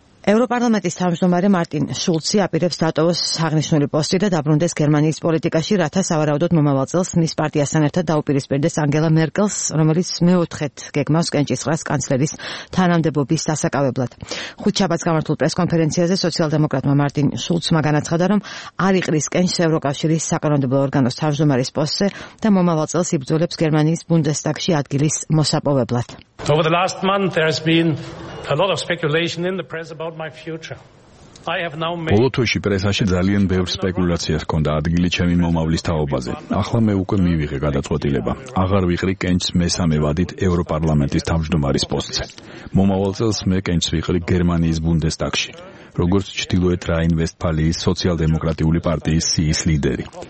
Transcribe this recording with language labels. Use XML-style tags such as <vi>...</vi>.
<ka>ევროპარლამენტის თავმჯდომარე მარტინ შულცი აპირებს დატოვოს აღნიშნული პოსტი და დაბრუნდეს გერმანიის პოლიტიკაში, რათა სავარაუდოდ მომავალ წელს მის პარტიასთან ერთად დაუპირისპირდეს ანგელა მერკელს, რომელიც მეოთხედ გეგმავს კენჭის ხრას კანცლერის თანამდებობის დასაკავებლად. ხუთშაბათს გამართულ პრესკონფერენციაზე სოციალ-დემოკრატმა მარტინ შულცმა განაცხადა, რომ არ იყრის კენჭს ევროკავშირის საკანონმდებლო ორგანოს თავმჯდომარის პოსტზე და მომავალ წელს იბრძოლებს გერმანიის ბუნდესტაგში ადგილის მოსაპოვებლად.</ka> <en>Over the last month there has been a lot of speculation in the press about my future.</en> <ka>ბოლოთვეში პრესაში ძალიან ბევრ სპეკულაციას ჰქონდა ადგილი ჩემი მომავლის თაობაზე. ახლა მე უკვე მივიღე გადაწყვეტილება. აღარ ვიყრი კენჭს მესამე ვადით ევროპარლამენტის თავმჯდომარის პოსტზე. მომავალ წელს მე კენჭს ვიყრი გერმანიის ბუნდესტაგში, როგორც ჩრდილოეთ რაინ-ვესტფალიის სოციალ-დემოკრატიული პარტიის სიის ლიდერი.</ka>